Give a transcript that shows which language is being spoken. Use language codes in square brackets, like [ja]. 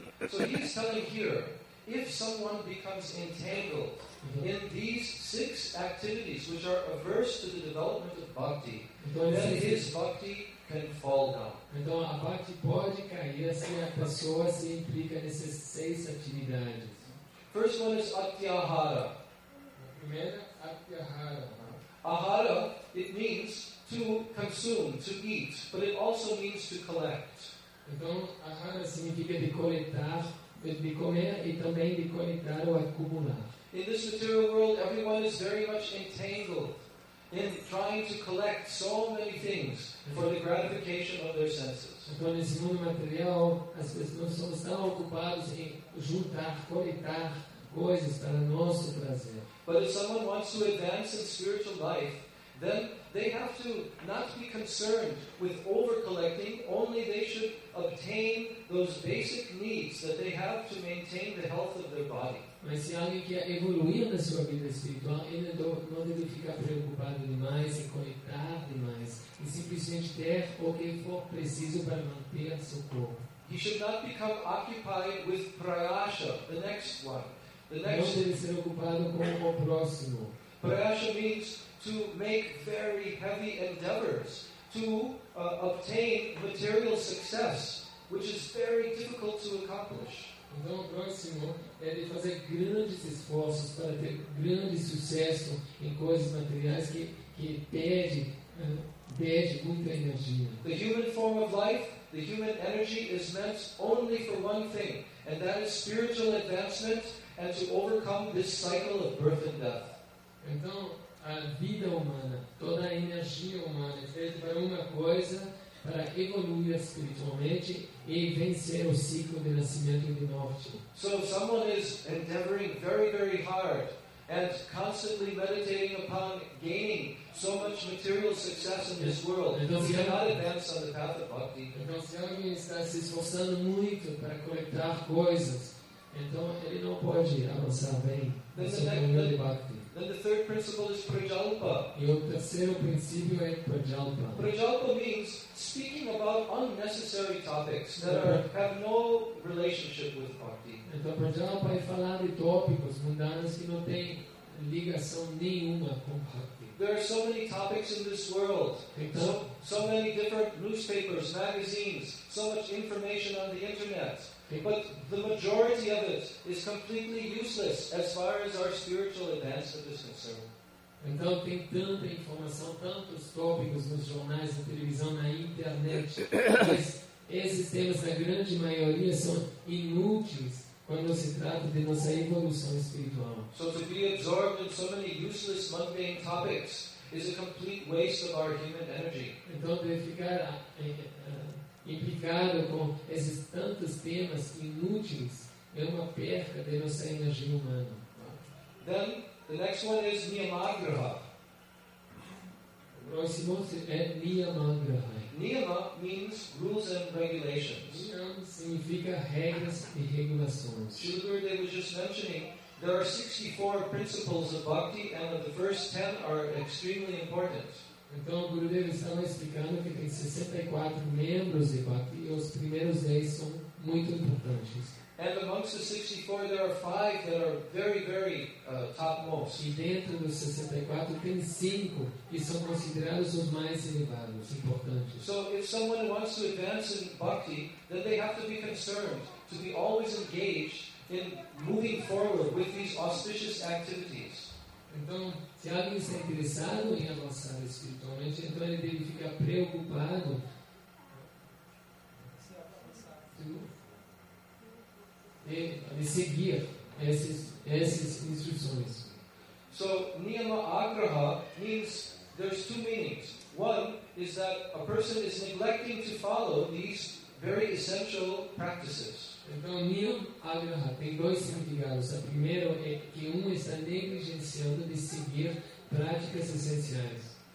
[en] So he's telling here, if someone becomes entangled in these six activities which are averse to the development of bhakti, [pt] então, [en] then his bhakti can fall down. [pt] Então a bhakti pode cair se a pessoa se implica nessas seis atividades. [en] First one is atyahara. [pt] Primeiro, atyahara. [en] Ahara, it means to consume, to eat, but it also means to collect. [pt] Então ahara significa de coletar, de comer e também de coletar ou acumular. [en] In this material world, everyone is very much entangled in trying to collect so many things for the gratification of their senses. [pt] Então, nesse mundo material, as pessoas são tão ocupadas em juntar, coletar coisas para nosso prazer. [en] But if someone wants to advance in spiritual life, then they have to not be concerned with over-collecting, only they should obtain those basic needs that they have to maintain the health of their body. [pt] Mas se alguém quer evoluir na sua vida espiritual, ele não deve ficar preocupado demais e conectar demais, e simplesmente ter o que for preciso para manter seu corpo. [en] He should not become occupied with prayasha, the next one. The next [pt] não deve ser ocupado com o próximo. [en] Prayasha means to make very heavy endeavors to obtain material success, which is very difficult to accomplish. [pt] Então, o próximo é de fazer grandes esforços para ter grande sucesso em coisas materiais que pede muita energia. [en] The human form of life, the human energy is meant only for one thing, and that is spiritual advancement and to overcome this cycle of birth and death. [pt] Então, a vida humana, toda a energia humana é feita para uma coisa, para evoluir espiritualmente e vencer o ciclo de nascimento e de morte. [en] So someone is endeavoring very, very hard and constantly meditating upon gaining so much material success in this world. [pt] Então, [en] he cannot advance on the path of bhakti. [pt] Então, se alguém está se esforçando muito para coletar coisas, então ele não pode avançar bem. [en] Then the third principle is prajalpa. [pt] E o terceiro princípio é prajalpa. [en] Prajalpa means speaking about unnecessary topics that have no relationship with bhakti. [pt] Então prajalpa é falar de tópicos mundanos que não têm ligação nenhuma com bhakti. [en] There are so many topics in this world. [pt] Então, [en] so many different newspapers, magazines, so much information on the internet. But the majority of it is completely useless as far as our spiritual advancement is concerned. [pt] Então tem tanta informação, tantos tópicos nos jornais, na televisão, na internet, mas esses temas, na grande maioria, são inúteis quando se trata de nossa evolução espiritual. [en] So to be absorbed in so many useless mundane topics is a complete waste of our human energy. [pt] Então deve ficar implicado com esses tantos temas inúteis é uma perca de nossa energia humana. [en] Then the next one is niyamagraha. [pt] O próximo é niyamagraha. [en] Niyama means rules and regulations. [pt] Niyam significa regras e regulações. [en] Srila Gurudev was just mentioning there are 64 principles of bhakti and of the first 10 are extremely important. [pt] Então, o Gurudev estava explicando que tem 64 membros de Bhakti e os primeiros 10 são muito importantes. [en] And amongst the 64, there are 5 that are very, very topmost. [pt] E dentro dos 64, tem 5 que são considerados os mais elevados, importantes. [en] So, if someone wants to advance in Bhakti, then they have to be concerned to be always engaged in moving forward with these auspicious activities. [pt] Então, se alguém está interessado em avançar espiritualmente, então ele deve ficar preocupado. De seguir essas instruções. [en] So, niyama agraha means there's two meanings. One is that a person is neglecting to follow these very essential practices. [pt] Então, niyam agraha tem dois significados. O primeiro é que um está negligenciando de seguir práticas essenciais.